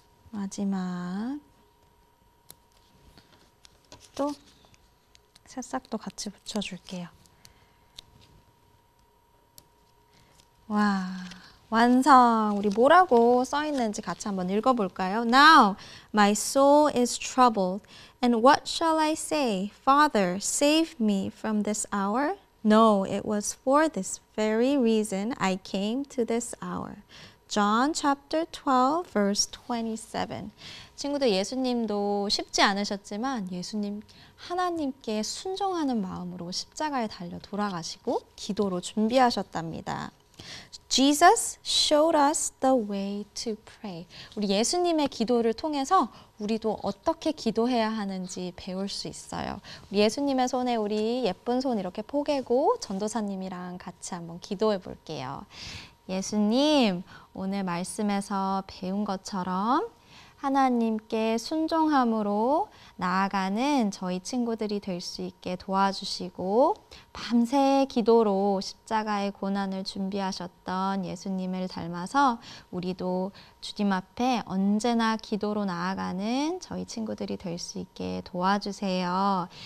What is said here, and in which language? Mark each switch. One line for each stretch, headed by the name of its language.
Korean: 마지막 또 새싹도 같이 붙여줄게요. 와, 완성! 우리 뭐라고 써있는지 같이 한번 읽어볼까요?
English: Now my soul is troubled, and what shall I say? Father, save me from this hour. No, it was for this very reason I came to this hour. John chapter 12, verse 27.
Korean: 친구들, 예수님도 쉽지 않으셨지만 예수님 하나님께 순종하는 마음으로 십자가에 달려 돌아가시고 기도로 준비하셨답니다.
English: Jesus showed us the way to pray.
Korean: 우리 예수님의 기도를 통해서 우리도 어떻게 기도해야 하는지 배울 수 있어요. 우리 예수님의 손에 우리 예쁜 손 이렇게 포개고 전도사님이랑 같이 한번 기도해 볼게요. 예수님, 오늘 말씀에서 배운 것처럼 하나님께 순종함으로 나아가는 저희 친구들이 될 수 있게 도와주시고 밤새 기도로 십자가의 고난을 준비하셨던 예수님을 닮아서 우리도 주님 앞에 언제나 기도로 나아가는 저희 친구들이 될 수 있게 도와주세요.